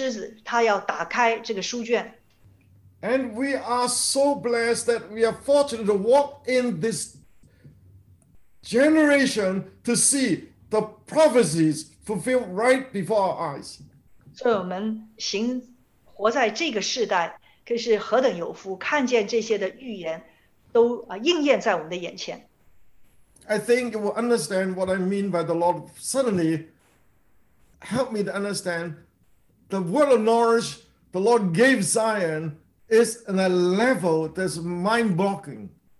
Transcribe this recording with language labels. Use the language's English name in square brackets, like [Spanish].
[Chinese] 就像刚才说到启示录，就讲到这个犹大的狮子，他要打开这个书卷。 [English] And we are so blessed that we are fortunate to walk in this generation to see the prophecies fulfilled right before our eyes. [Chinese] 所以我们活在这个世代，可是何等有福，看见这些的预言都应验在我们的眼前。 [English] I think you will understand what I mean by the Lord suddenly help me to understand the word of knowledge the Lord gave Zion is in a level that's mind-boggling.